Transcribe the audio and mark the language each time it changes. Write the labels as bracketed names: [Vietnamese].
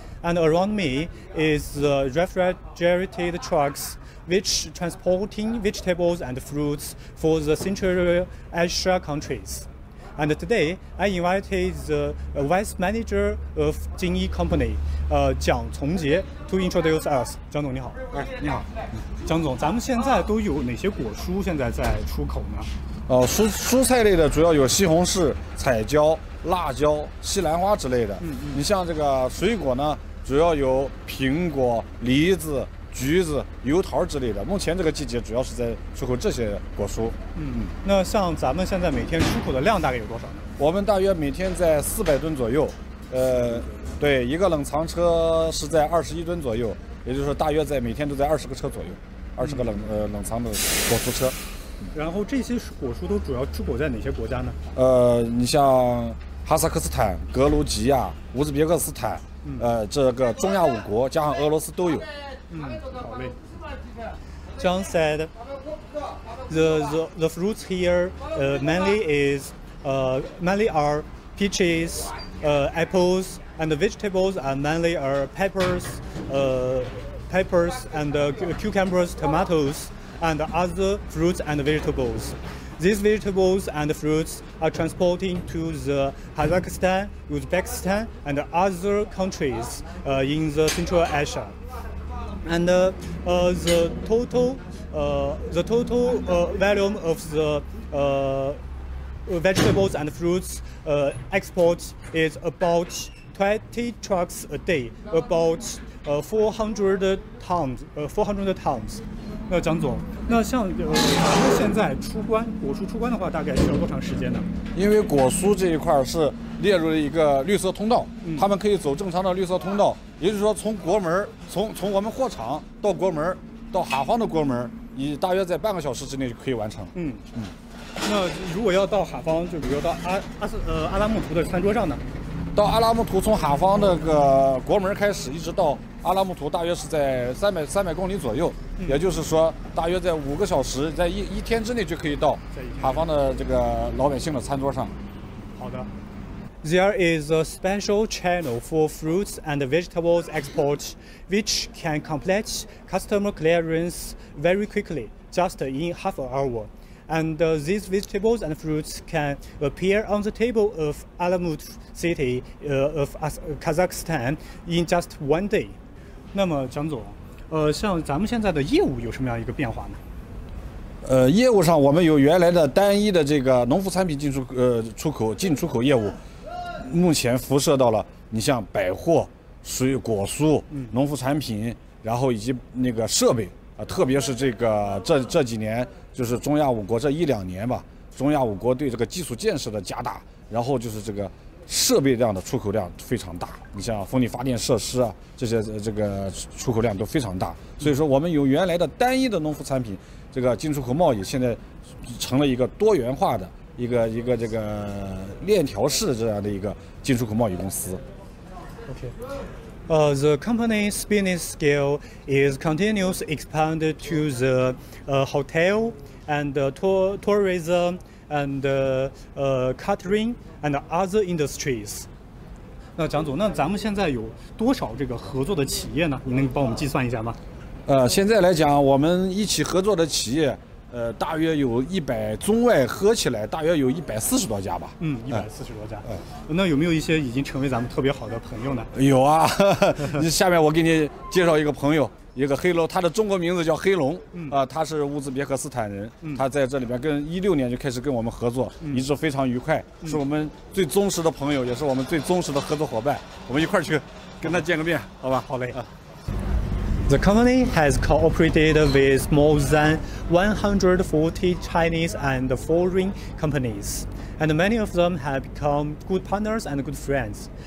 [English] And around me is the refrigerated trucks which transporting vegetables and fruits for the Central Asia countries. And today, I invited the vice manager of Jingyi Company, Jiang Chongjie, to introduce us. [Chinese] Zhang Zong, 你好. 你好. 江总，咱们现在都有哪些果蔬现在在出口呢？蔬菜类的主要有西红柿、彩椒、辣椒、西兰花之类的。嗯嗯。你像这个水果呢，主要有苹果、梨子、橘子、油桃之类的。目前这个季节主要是在出口这些果蔬。嗯嗯。那像咱们现在每天出口的量大概有多少呢？我们大约每天在400吨左右。对，一个冷藏车是在21吨左右。也就是说，大约在每天都在20个车左右，20个冷藏的果蔬车。然后这些果蔬都主要出口在哪些国家呢？你像哈萨克斯坦、格鲁吉亚、乌兹别克斯坦，这个中亚五国加上俄罗斯都有。嗯，好嘞。 [English] John said, the fruits here, mainly are peaches, apples. And the vegetables are mainly are peppers and cucumbers, tomatoes, and other fruits and vegetables. These vegetables and fruits are transporting to the Kazakhstan, Uzbekistan, and other countries in the Central Asia. And the total volume of the vegetables and fruits exports is about 20 trucks a day, about 400 tons. [Chinese] 那蒋总，那像现在出关果蔬出关的话，大概需要多长时间呢？因为果蔬这一块是列入了一个绿色通道，他们可以走正常的绿色通道，也就是说从国门，从我们货场到国门，到哈方的国门，以大约在半个小时之内就可以完成。那如果要到哈方，就比如到阿拉木图的餐桌上呢？到阿拉木图，从哈方那个国门开始，一直到阿拉木图，大约是在300公里左右，也就是说，大约在5个小时，在一天之内就可以到哈方的这个老百姓的餐桌上。好的。 [English] There is a special channel for fruits and vegetables export, which can complete customer clearance very quickly, just in half an hour. And these vegetables and fruits can appear on the table of Alamut City of Kazakhstan in just one day. [Chinese] 那么蒋总，像咱们现在的业务有什么样一个变化呢？业务上我们有原来的单一的这个农副产品进出出口进出口业务，目前辐射到了你像百货、水果蔬、农副产品，然后以及那个设备特别是这个这几年。就是中亚五国这一两年吧，中亚五国对这个基础建设的加大，然后就是这个设备量的出口量非常大。你像风力发电设施啊，这些这个出口量都非常大。所以说，我们有原来的单一的农副产品，这个进出口贸易现在成了一个多元化的一个这个链条式这样的一个进出口贸易公司。 [English] OK. The company's business scale is continuously expanded to the hotel and tourism and catering and other industries. [Chinese] 那蒋总，那咱们现在有多少这个合作的企业呢？你能帮我们计算一下吗？现在来讲，我们一起合作的企业，大约有100中外，合起来大约有140多家吧。 140多家。那有没有一些已经成为咱们特别好的朋友呢？有啊，下面我给你介绍一个朋友，一个黑龙，他的中国名字叫黑龙。他是乌兹别克斯坦人。他在这里边跟2016年就开始跟我们合作，一直非常愉快，是我们最忠实的朋友，也是我们最忠实的合作伙伴。我们一块儿去跟他见个面，好吧？好嘞。 [English] The company has cooperated with more than 140 Chinese and foreign companies, and many of them have become good partners and good friends.